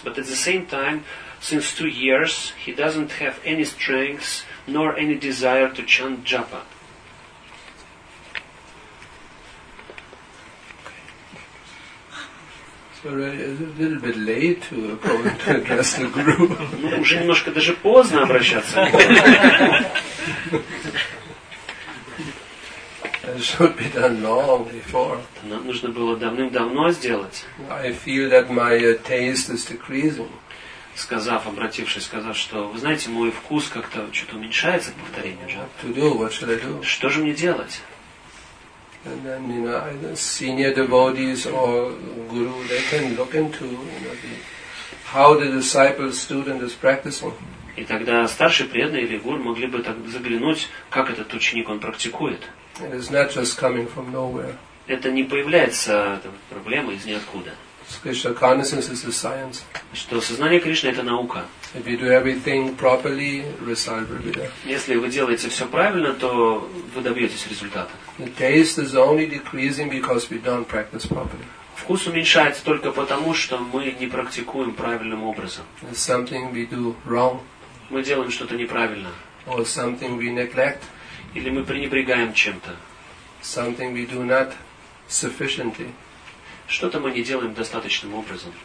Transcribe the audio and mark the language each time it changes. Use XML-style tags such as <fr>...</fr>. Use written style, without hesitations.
<en>But at the same time, since 2 years, he doesn't have any strength nor any desire to chant japa. Sorry, it's a little bit late to address the guru.</en> <ru>Ну, уже немножко даже поздно обращаться.</ru> <en>It should be done long before.</en> <ru>Нам нужно было давным-давно сделать.</ru> <en>I feel that my taste is decreasing.</en> <ru>Сказав, что, вы знаете, мой вкус как-то что-то уменьшается к повторению джапы.</ru> <en>What to do? What should I do?</en> <ru>Что же мне делать?</ru> <en>And then, you know, either senior devotees or guru, they can look into, you know, how the disciple student is practicing.</en> <ru>И тогда старший преданный или гуру могли бы так заглянуть, как этот ученик он практикует.</ru> <en>It is not just coming from nowhere.</en> <ru>Это не появляется там, проблема из ниоткуда.</ru> <en>Krishna consciousness is a science.</en> <ru>Что сознание Кришны это наука.</ru> <en>If you do everything properly, result will be there.</en> <ru>Если вы делаете все правильно, то вы добьетесь результата.</ru> <en>The taste is only decreasing because we don't practice properly.</en> <ru>Вкус уменьшается только потому, что мы не практикуем правильным образом.</ru> <en>It's something we do wrong.</en> <ru>Мы делаем что-то неправильно.</ru> <en>Or something we neglect.</en> <ru>Или мы пренебрегаем чем-то.</ru> <en>Something we do not sufficiently.</en> <ru>Что-то мы не делаем достаточным образом.</ru>